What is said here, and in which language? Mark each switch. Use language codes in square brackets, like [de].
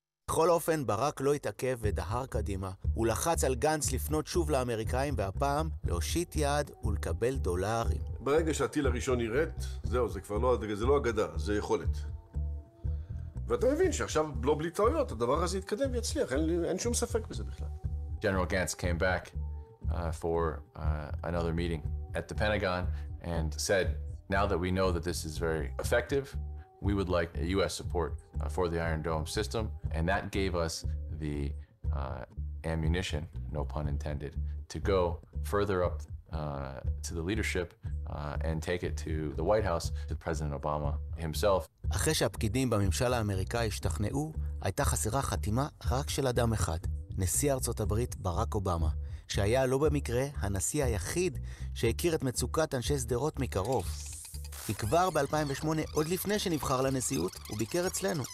[he] בכל אופן, ברק לא התעכב ודהר קדימה. הוא לחץ על גנץ לפנות שוב לאמריקאים, והפעם להושיט יד ולקבל דולרים. ברגע שהטיל הראשון ירד, זהו, זה כבר לא, זה לא אגדה, זה יכולת. ואתה מבין שעכשיו לא בלי טעויות, הדבר הזה יתקדם ויצליח, אין שום ספק בזה בכלל. [en] General Gantz came back for another meeting at the Pentagon and said, now that we know that this is very effective, we would like a U.S. support for the Iron Dome system. And that gave us the ammunition, no pun intended, to go further up to the leadership and take it to the White House, to President Obama himself. [he] אחרי שהפקידים בממשל האמריקאי השתכנעו, הייתה חסרה חתימה רק של אדם אחד, נשיא ארצות הברית ברק אובמה, שהיה לא במקרה הנשיא היחיד שהכיר את מצוקת אנשי שדרות מקרוב. כבר ב-2008, עוד לפני שנבחר לנשיאות, הוא ביקר אצלנו.